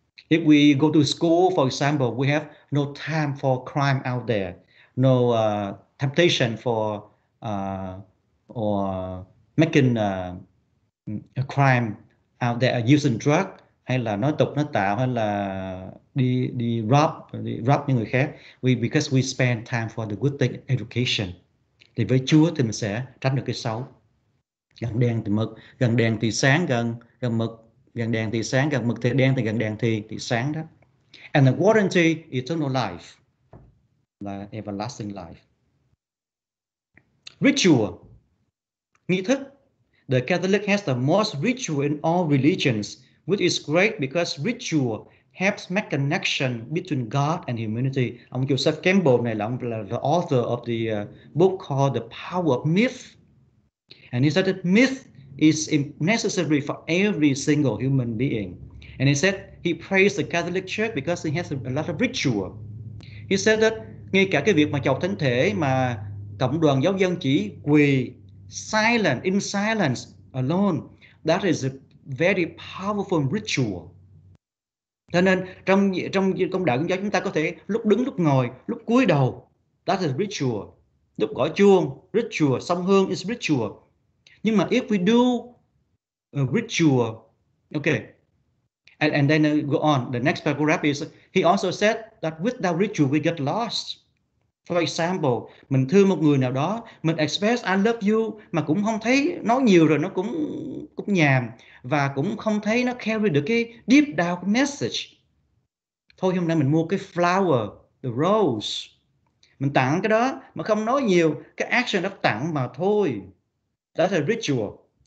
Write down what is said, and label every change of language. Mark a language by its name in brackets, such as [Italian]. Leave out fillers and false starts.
[English] If we go to school, for example, we have no time for crime out there, no temptation for or making a crime out there, using drug, [Vietnamese] hay là nói tục, nói tạo, hay là đi [English] rob [Vietnamese] những người khác. [English] Because we spend time for the good thing, education. [Vietnamese] Thì với Chúa thì mình sẽ tránh được cái xấu. Gần đèn thì mực, gần đèn thì sáng, gần gần mực, gần đèn thì sáng, gần mực thì đen, thì gần đèn thì sáng đó. [English] And the warranty, eternal life, là everlasting life. [Vietnamese] Ritual, nghi thức. [English] The Catholic has the most ritual in all religions, which is great because ritual helps make connection between God and humanity. [Vietnamese] Ông [English] Joseph Campbell [Vietnamese] này là [English] the author of the book called The Power of Myth. And he said that myth is necessary for every single human being. And he said he praised the Catholic Church because he has a lot of ritual. He said that [Vietnamese] ngay cả cái việc mà chầu thánh thể mà cộng đoàn giáo dân chỉ quỳ [English] silent, in silence alone, that is a very powerful ritual. [Vietnamese] Cho nên trong trong công đạo Công giáo chúng ta có thể lúc đứng, lúc ngồi, lúc cúi đầu, [English] that is ritual. [Vietnamese] Lúc gõ chuông, ritual, xông hương [English] is ritual. [Vietnamese] Nhưng mà [English] if we do a ritual, okay, and then go on, the next paragraph is, he also said that without ritual we get lost. For example, [Vietnamese] mình thương một người nào đó, mình express [English] I love you [Vietnamese] mà cũng không thấy, nói nhiều rồi nó cũng nhàm và cũng không thấy nó carry được cái [English] deep down message. [Vietnamese] Thôi hôm nay mình mua cái flower, [English] the rose. [Vietnamese] Mình tặng cái đó mà không nói nhiều, cái action đó tặng mà thôi. [English] That's a ritual.